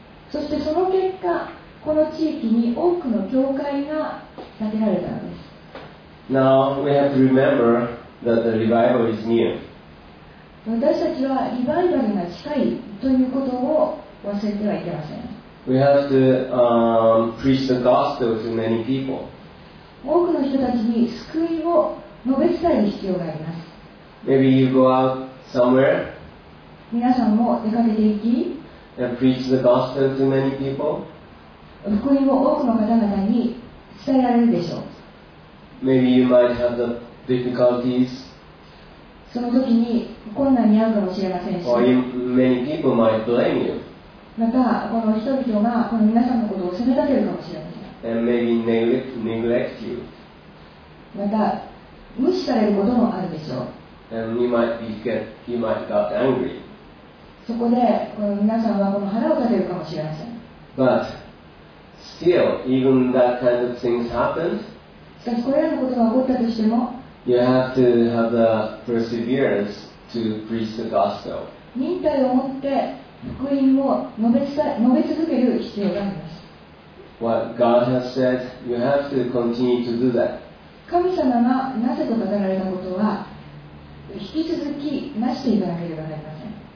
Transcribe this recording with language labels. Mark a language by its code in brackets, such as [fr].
[ja] そしてその結果、この地域に多くの教会が建てられたのです。 [en] Now we have to remember that the revival is near. [ja] 私たちはリバイバルが近いということを忘れてはいけません。 [en] We have to preach the gospel to many people. [ja] 多くの人たちに救いを述べ伝える必要があります。 [en] Maybe you go out somewhere. [ja] 皆さんも出かけて行き、 [en] and preach the gospel to many people. [ja] 福音を多くの方々に伝えられるでしょう。 [en] Maybe you might have the difficulties. [ja] その時に困難に遭うかもしれませんし、 [en] or many people might blame you. [ja] またこの人々がこの皆さんのことを責め立てるかもしれません。 [en] And maybe neglect you. [ja] また無視されることもあるでしょう。 [en] And you might get angry. [ja] そこでこの皆さんはこの腹を立てるかもしれません。 [en] But still, even that kind of things happens. [ja] しかしこれらのことが起こったとしても、 [en] you have to have the perseverance to preach the gospel. [ja] 忍耐を持って福音を述べ続ける必要があります。 [en] What God has said, you have to continue to do that. [ja] 神様がなぜと語られたことは。引き続きなしていかなければなりません。